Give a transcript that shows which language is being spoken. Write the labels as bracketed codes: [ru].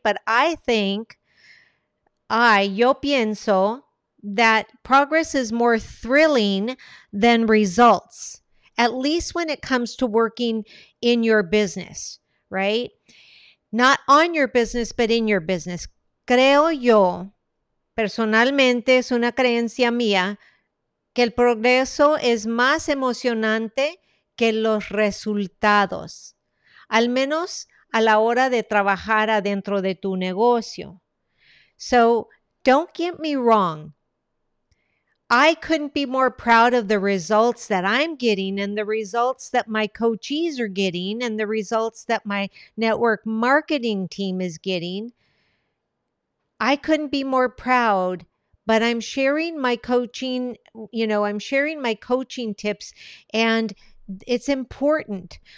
[en] But I think, [es] yo pienso [en] that progress is more thrilling than results. At least when it comes to working in your business, right? Not on your business, but in your business. [es] Creo yo, personalmente, es una creencia mía, que el progreso es más emocionante que los resultados. Al menos a la hora de trabajar adentro de tu negocio. [en] So, don't get me wrong. I couldn't be more proud of the results that I'm getting and the results that my coaches are getting and the results that my network marketing team is getting. I couldn't be more proud, but I'm sharing my coaching, you know, I'm sharing my coaching tips, and it's important.